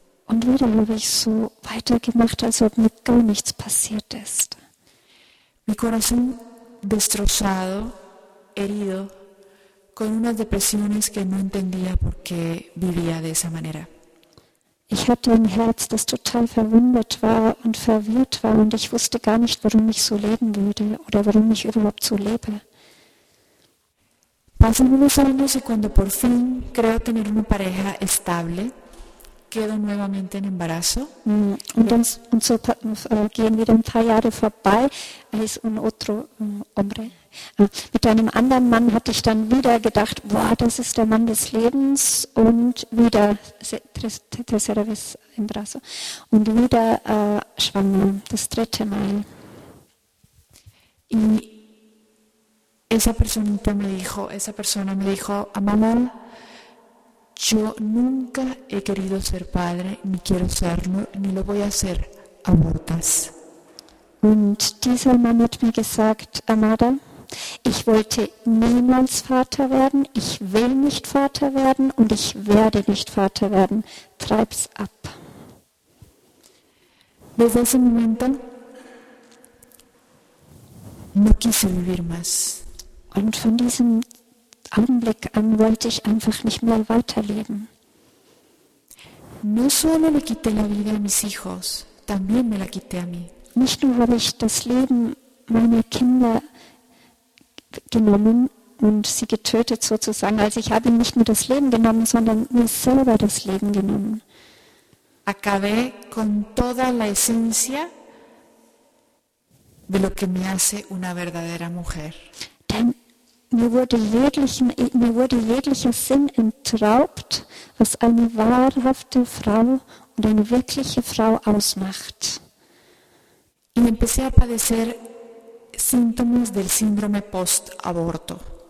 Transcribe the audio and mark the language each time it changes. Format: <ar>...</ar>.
<de>Und wieder habe ich so weitergemacht, als ob mir gar nichts passiert ist.</de> <es>Mi corazón destrozado, herido, con unas depresiones que no entendía por qué vivía de esa manera.</es> <de>Ich hatte ein Herz, das total verwundet war und verwirrt war, und ich wusste gar nicht, warum ich so leben würde oder warum ich überhaupt so lebe.</de> <es>Pasan unos años y cuando por fin creo tener una pareja estable, quedo nuevamente en embarazo.</es> <de>Gehen wieder ein paar Jahre vorbei, als</de> <es>un otro hombre.</es> <de>Mit einem anderen Mann hatte ich dann wieder gedacht, boah, das ist der Mann des Lebens, und wieder</de> <es>tercera vez embarazo,</es> <de>und wieder schwanger, das dritte Mal.</de> <es>Y esa personita me dijo, esa persona me dijo, Amanda, yo nunca he querido ser padre, ni quiero serlo, ni lo voy a hacer, abortas.</es> <de>Und dieser Mann hat mir gesagt, Amanda, ich wollte niemals Vater werden, ich will nicht Vater werden und ich werde nicht Vater werden. Treib's ab.</de> <es>Desde ese momento, no quise vivir más.</es> <de>Und von diesem Augenblick an wollte ich einfach nicht mehr weiterleben.</de> <es>No solo le quité la vida a mis hijos, también me la quité a mí.</es> <de>Nicht nur habe ich das Leben meiner Kinder genommen und sie getötet sozusagen, also ich habe nicht nur das Leben genommen, sondern mir selber das Leben genommen.</de> <es>Acabé con toda la esencia de lo que me hace una verdadera mujer.</es> <de>Denn mir wurde jeglicher Sinn entraubt, was eine wahrhafte Frau und eine wirkliche Frau ausmacht.</de> <es>Y empecé a padecer síntomas del síndrome post-aborto.</es>